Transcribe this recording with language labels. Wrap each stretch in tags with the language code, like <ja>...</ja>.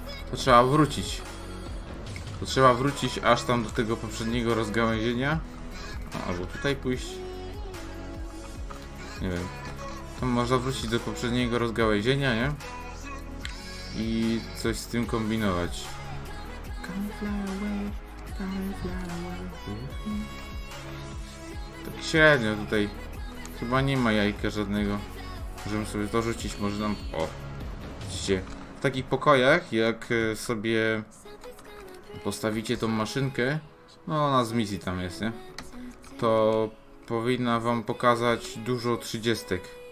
<pl>To trzeba wrócić. To trzeba wrócić aż tam do tego poprzedniego rozgałęzienia. Albo tutaj pójść. Nie wiem. To można wrócić do poprzedniego rozgałęzienia, nie? I coś z tym kombinować.</pl> <en>Come fly away, come fly away.</en> <pl>Tak średnio tutaj. Chyba nie ma jajka żadnego. Możemy sobie to rzucić, może nam... O! Widzicie? W takich pokojach, jak sobie postawicie tą maszynkę, no ona z misji tam jest, nie? To powinna wam pokazać dużo trzydziestek.</pl>